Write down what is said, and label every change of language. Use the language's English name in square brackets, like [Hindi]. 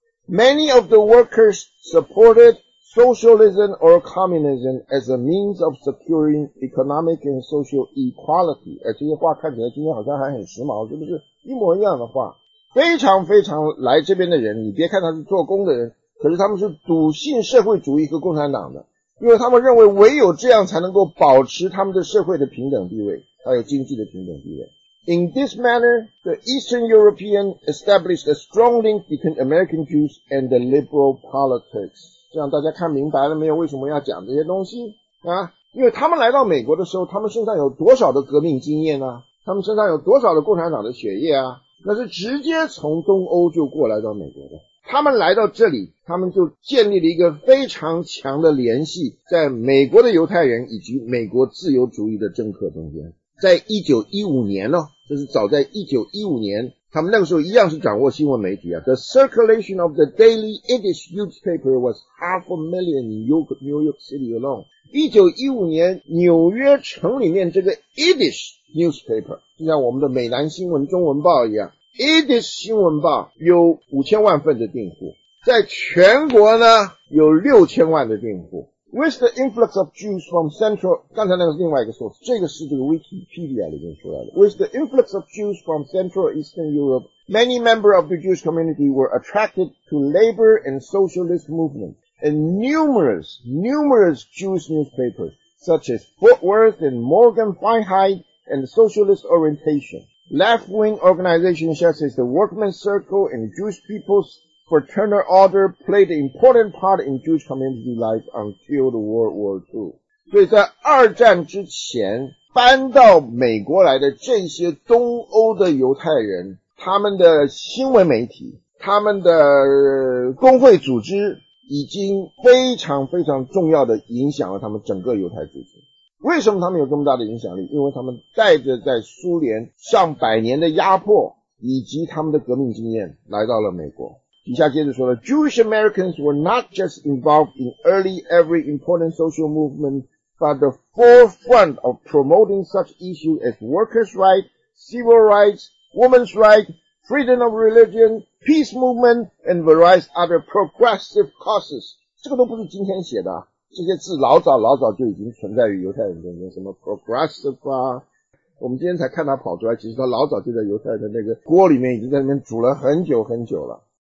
[English] Many of the workers supported socialism or communism as a means of securing economic and social equality。 [Chinese] 这些话看起来今天好像还很时髦，是不是一模一样的话？非常非常来这边的人，你别看他是做工的人，可是他们是笃信社会主义和共产党的，因为他们认为唯有这样才能够保持他们的社会的平等地位，还有经济的平等地位。 [English] In this manner, the Eastern European established a strong link between American Jews and the liberal politics。 [Chinese] 这样大家看明白了没有为什么要讲这些东西啊？因为他们来到美国的时候，他们身上有多少的革命经验啊，他们身上有多少的共产党的血液啊，那是直接从东欧就过来到美国的。他们来到这里，他们就建立了一个非常强的联系，在美国的犹太人以及美国自由主义的政客中间。在1915年呢，就是早在1915年，他们那个时候一样是掌握新闻媒体啊。 [English] The circulation of the daily English newspaper was half a million in New York City alone。 [Chinese] 1915年纽约城里面这个 English newspaper， 就像我们的美南新闻中文报一样， English 新闻报有5000万份的订户，在全国呢有6000万的订户。 [English] With the influx of Jews from Central, [Chinese] 刚才那个是另外一个 source， 这个是这个 Wikipedia 里面出来的。 [English] With the influx of Jews from Central Eastern Europe, many members of the Jewish community were attracted to labor and socialist movement, and numerous Jewish newspapers, such as Fort Worth and Morgan Feinheit and Socialist Orientation. Left-wing organizations such as the Workman's Circle and Jewish People'sFraternal Order played an important part in Jewish community life until the World War II. [Chinese] 所以在二战之前，搬到美国来的这些东欧的犹太人，他们的新闻媒体，他们的工会组织已经非常非常重要的影响了他们整个犹太组织。为什么他们有这么大的影响力？因为他们带着在苏联上百年的压迫以及他们的革命经验来到了美国。底下接着说了， [English] Jewish Americans were not just involved in early every important social movement, but the forefront of promoting such issues as workers' rights, civil rights, women's rights, freedom of religion, peace movement, and various other progressive causes. [Chinese] 这个都不是今天写的，这些字老早老早就已经存在于犹太人中间，什么 progressive 啊，我们今天才看他跑出来，其实他老早就在犹太人的那个锅里面已经在那边煮了很久很久了。